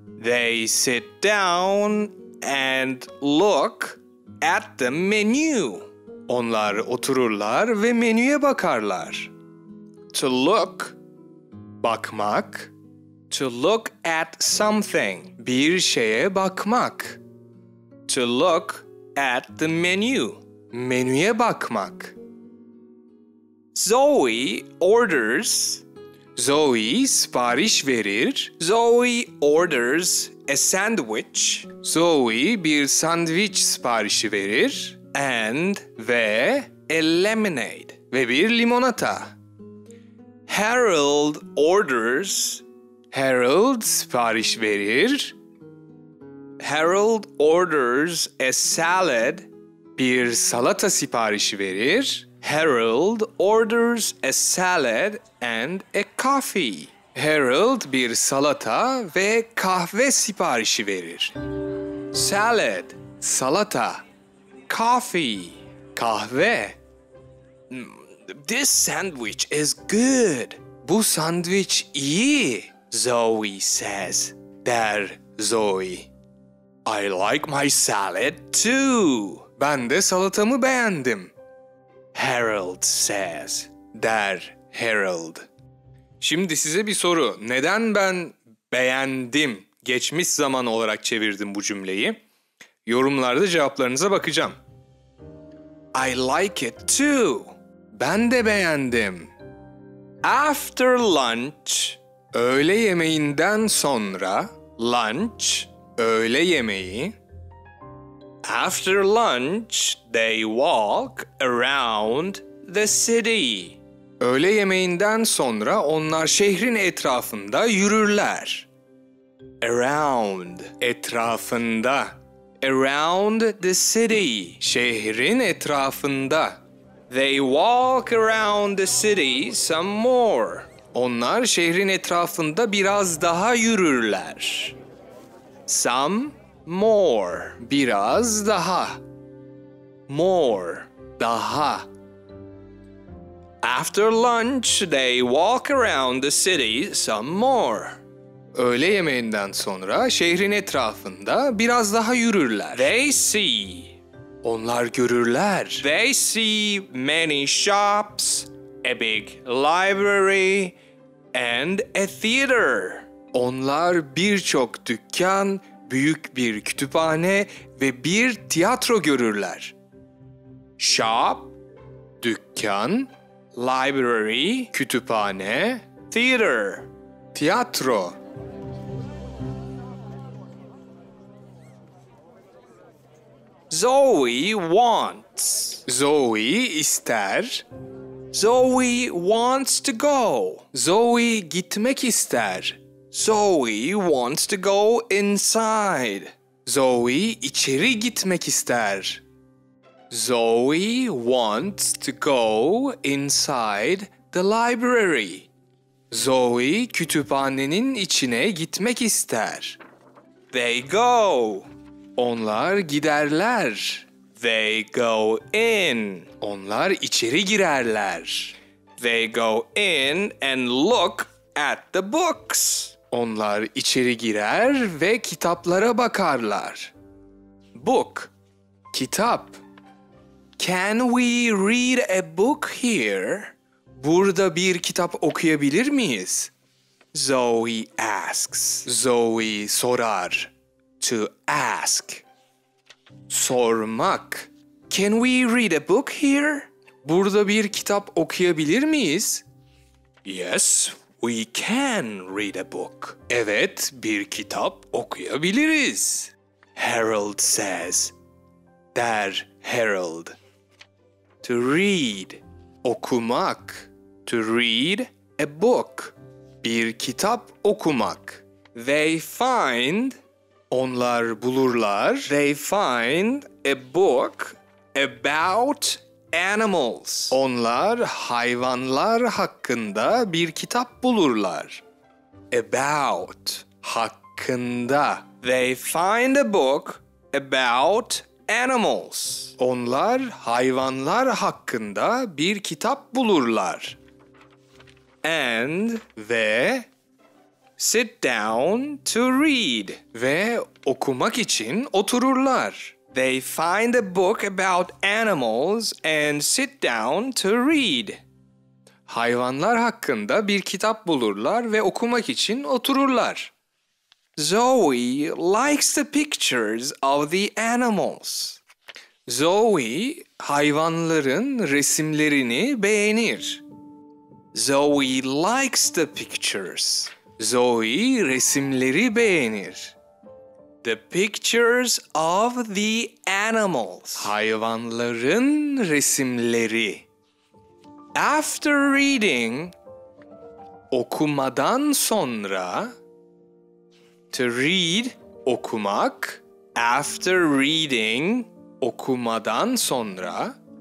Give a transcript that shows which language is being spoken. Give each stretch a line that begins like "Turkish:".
English: They sit down and look at the menu.
Turkish: Onlar otururlar ve menüye bakarlar.
English: To look.
Turkish: Bakmak.
English: To look at something.
Turkish: Bir şeye bakmak.
English: To look at the menu.
Turkish: Menüye bakmak.
English: Zoe orders.
Turkish: Zoe sipariş verir.
English: Zoe orders a sandwich.
Turkish: Zoe bir sandviç siparişi verir.
English: And
Turkish: ve
English: a lemonade.
Turkish: Ve bir limonata.
English: Harold orders.
Turkish: Harold sipariş verir.
English: Harold orders a salad.
Turkish: Bir salata siparişi verir.
English: Harold orders a salad and a coffee.
Turkish: Harold bir salata ve kahve siparişi verir.
English: Salad.
Turkish: Salata.
English: Coffee.
Turkish: Kahve.
English: This sandwich is good.
Turkish: Bu sandviç iyi.
English: Zoe says.
Turkish: Der Zoe.
English: I like my salad too.
Turkish: Ben de salatamı beğendim.
English: Harold says.
Turkish: Der Harold. Şimdi size bir soru. Neden ben beğendim? Geçmiş zaman olarak çevirdim bu cümleyi. Yorumlarda cevaplarınıza bakacağım.
English: I like it too.
Turkish: Ben de beğendim.
English: After lunch.
Turkish: Öğle yemeğinden sonra.
English: Lunch.
Turkish: Öğle yemeği.
English: After lunch, they walk around the city.
Turkish: Öğle yemeğinden sonra onlar şehrin etrafında yürürler.
English: Around.
Turkish: Etrafında.
English: Around the city.
Turkish: Şehrin etrafında.
English: They walk around the city some more.
Turkish: Onlar şehrin etrafında biraz daha yürürler.
English: Some more.
Turkish: Biraz daha.
English: More.
Turkish: Daha.
English: After lunch, they walk around the city some more.
Turkish: Öğle yemeğinden sonra şehrin etrafında biraz daha yürürler.
English: They see.
Turkish: Onlar görürler.
English: They see many shops, a big library and a theater.
Turkish: Onlar birçok dükkan, büyük bir kütüphane ve bir tiyatro görürler.
English: Shop,
Turkish: dükkan,
English: library,
Turkish: kütüphane,
English: theater,
Turkish: tiyatro.
English: Zoe wants.
Turkish: Zoe ister.
English: Zoe wants to go.
Turkish: Zoe gitmek ister.
English: Zoe wants to go inside.
Turkish: Zoe içeri gitmek ister.
English: Zoe wants to go inside the library.
Turkish: Zoe kütüphanenin içine gitmek ister.
English: They go.
Turkish: Onlar giderler.
English: They go in.
Turkish: Onlar içeri girerler.
English: They go in and look at the books.
Turkish: Onlar içeri girer ve kitaplara bakarlar.
English: Book.
Turkish: Kitap.
English: Can we read a book here?
Turkish: Burada bir kitap okuyabilir miyiz?
English: Zoe asks.
Turkish: Zoe sorar.
English: To ask.
Turkish: Sormak.
English: Can we read a book here?
Turkish: Burada bir kitap okuyabilir miyiz?
English: Yes, we can read a book.
Turkish: Evet, bir kitap okuyabiliriz.
English: Harold says.
Turkish: Der Harold.
English: To read.
Turkish: Okumak.
English: To read a book.
Turkish: Bir kitap okumak.
English: They find.
Turkish: Onlar bulurlar.
English: They find a book about animals.
Turkish: Onlar hayvanlar hakkında bir kitap bulurlar.
English: About.
Turkish: Hakkında.
English: They find a book about animals.
Turkish: Onlar hayvanlar hakkında bir kitap bulurlar.
English: And.
Turkish: Ve.
English: Sit down to read.
Turkish: Ve okumak için otururlar.
English: They find a book about animals and sit down to read.
Turkish: Hayvanlar hakkında bir kitap bulurlar ve okumak için otururlar.
English: Zoe likes the pictures of the animals.
Turkish: Zoe hayvanların resimlerini beğenir.
English: Zoe likes the pictures.
Turkish: Zoe resimleri beğenir.
English: The pictures of the animals.
Turkish: Hayvanların resimleri.
English: After reading.
Turkish: Okumadan sonra.
English: To read.
Turkish: Okumak.
English: After reading.
Turkish: Okumadan sonra.